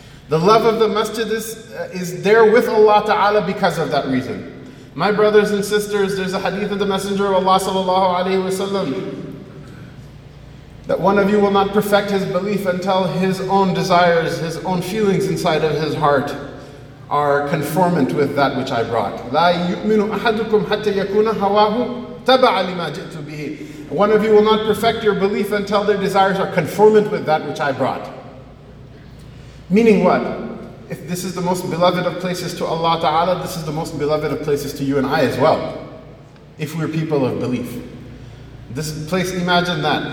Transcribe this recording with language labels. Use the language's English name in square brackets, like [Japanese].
[English] The love of the masjid is there with Allah ta'ala because of that reason. My brothers and sisters, there's a hadith of the Messenger of Allah sallallahu alayhi wa sallam that one of you will not perfect his belief until his own desires, his own feelings inside of his heart are conformant with that which I brought. [Arabic] لا يؤمن أحدكم حتى يكون هواه تَبَعَ لِمَا جِئْتُ بِهِ. [English] One of you will not perfect your belief until their desires are conformant with that which I brought. Meaning what? If this is the most beloved of places to Allah Ta'ala, this is the most beloved of places to you and I as well. If we're people of belief. This place, imagine that.